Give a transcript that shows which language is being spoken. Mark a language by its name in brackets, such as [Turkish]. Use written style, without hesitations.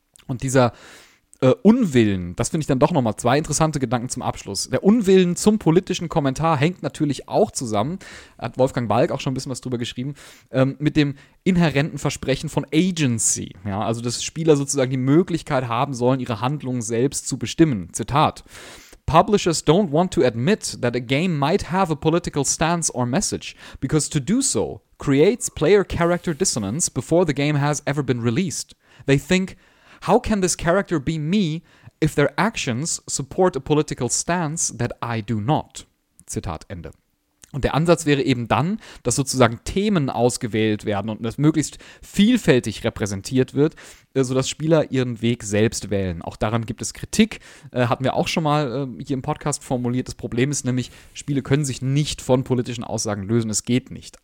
[German] Und dieser Unwillen, das finde ich dann doch nochmal zwei interessante Gedanken zum Abschluss. Der Unwillen zum politischen Kommentar hängt natürlich auch zusammen, hat Wolfgang Walk auch schon ein bisschen was drüber geschrieben, mit dem inhärenten Versprechen von Agency. Ja, also dass Spieler sozusagen die Möglichkeit haben sollen, ihre Handlungen selbst zu bestimmen. [English] Zitat: Publishers don't want to admit that a game might have a political stance or message, because to do so creates player character dissonance before the game has ever been released. They think, how can this character be me if their actions support a political stance that I do not? [German] Zitat Ende. Und der Ansatz wäre eben dann, dass sozusagen Themen ausgewählt werden und das möglichst vielfältig repräsentiert wird, sodass Spieler ihren Weg selbst wählen. Auch daran gibt es Kritik, hatten wir auch schon mal hier im Podcast formuliert. Das Problem ist nämlich, Spiele können sich nicht von politischen Aussagen lösen. Es geht nicht.